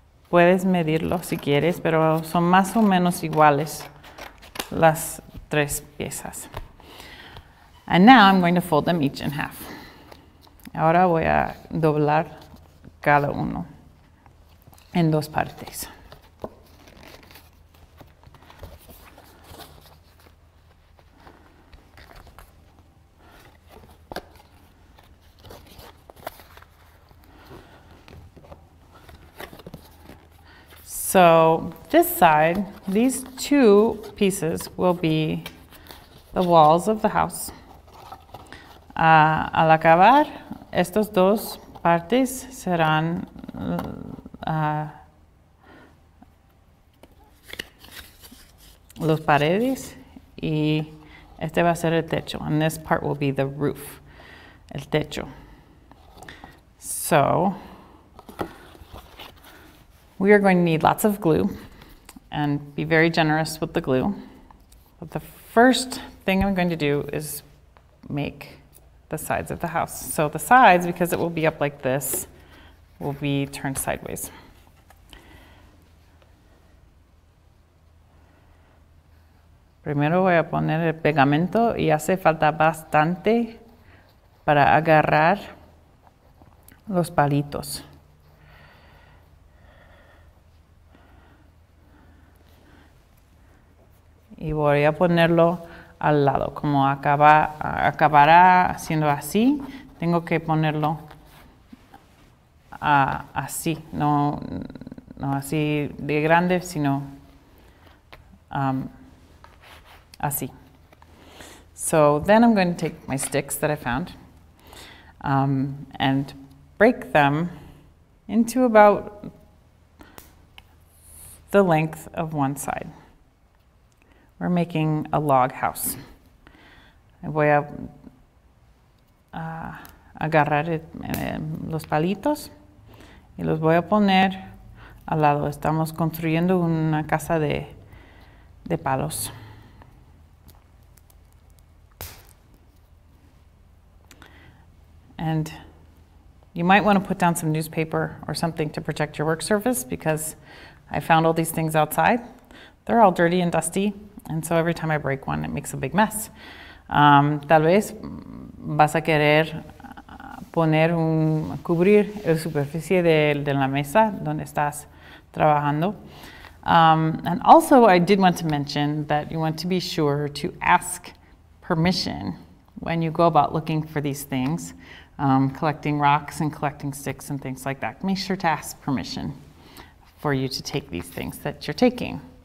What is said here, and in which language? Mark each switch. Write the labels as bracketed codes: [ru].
[es] Puedes medirlo si quieres, pero son más o menos iguales las tres piezas. [en] And now I'm going to fold them each in half. [es] Ahora voy a doblar cada uno en dos partes. [en] So this side, these two pieces will be the walls of the house. [es] Al acabar, estas dos partes serán los paredes y este va a ser el techo. [en] And this part will be the roof, [es] el techo. [en] So we are going to need lots of glue and be very generous with the glue. But the first thing I'm going to do is make the sides of the house. So the sides, because it will be up like this, will be turned sideways. [es] Primero voy a poner el pegamento y hace falta bastante para agarrar los palitos. Y voy a ponerlo al lado, como acabará siendo así, tengo que ponerlo así, no así de grande, sino así. [en] So then I'm going to take my sticks that I found and break them into about the length of one side. We're making a log house. [es] Voy a agarrar los palitos y los voy a poner al lado. Estamos construyendo una casa de palos. [en] And you might want to put down some newspaper or something to protect your work surface because I found all these things outside. They're all dirty and dusty. And so every time I break one, it makes a big mess. [es] Tal vez vas a querer poner cubrir la superficie de la mesa donde estás trabajando. [en] And also, I did want to mention that you want to be sure to ask permission when you go about looking for these things, collecting rocks and collecting sticks and things like that. Make sure to ask permission for you to take these things that you're taking.